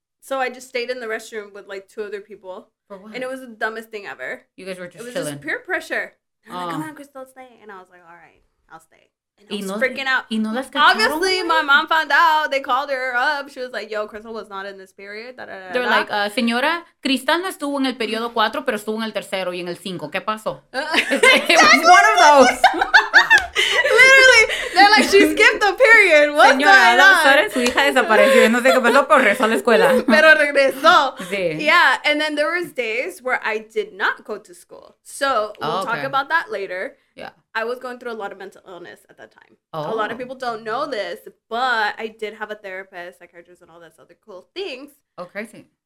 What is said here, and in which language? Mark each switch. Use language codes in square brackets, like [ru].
[en] So, I just stayed in the restroom with, like, two other people. For what? And it was the dumbest thing ever. You guys were just chilling. It was just peer pressure. I was like, come on, Crystal, stay. And I was like, all right, I'll stay. And I was freaking out. Obviously, my mom found out. They called her up. She was like, yo, Crystal was not in this period. [es] They're like, señora, Cristal no estuvo en el periodo 4, pero estuvo en el tercero y en el 5. ¿Qué pasó? [en] Exactly. It was one of those. Literally. They're like, she skipped the period. What's [es] señora, [en] going on? [es] Señora, su hija desapareció. No sé qué pasó, pero regresó a la escuela. Pero regresó. Sí. [en] Yeah, and then there was days where I did not go to school. So, we'll talk about that later. Yeah. I was going through a lot of mental illness at that time. Oh. A lot of people don't know this, but I did have a therapist, psychiatrist, and all those other cool things. Oh, crazy.